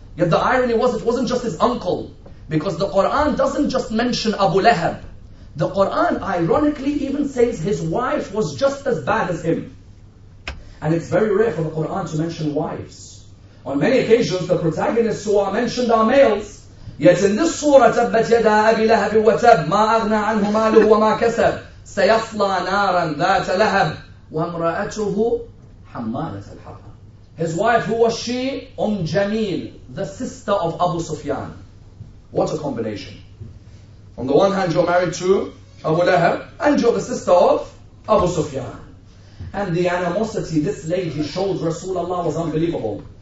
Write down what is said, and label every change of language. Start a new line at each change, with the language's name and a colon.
English: Yet the irony was, it wasn't just his uncle, because the Quran doesn't just mention Abu Lahab. The Quran ironically even says his wife was just as bad as him. And it's very rare for the Quran to mention wives. On many occasions, the protagonists who are mentioned are males. Yet in this surah,
Arabic: تَبَّتْ يَدَا أَبِي لَهَبٍ وَتَبْ مَا أَغْنَى عَنْهُ مَالُهُ وَمَا كَسَبْ سَيَصْلَى نَارًا ذَاتَ لَهَبٍ وَامْرَأَتُهُ حَمَّالَةَ الْحَطَبِ.
English: His wife, who was she? Jamil, the sister of Abu Sufyan. What a combination. On the one hand, you're married to Abu Lahab, and you're the sister of Abu Sufyan. And the animosity this lady showed Rasulullah was unbelievable.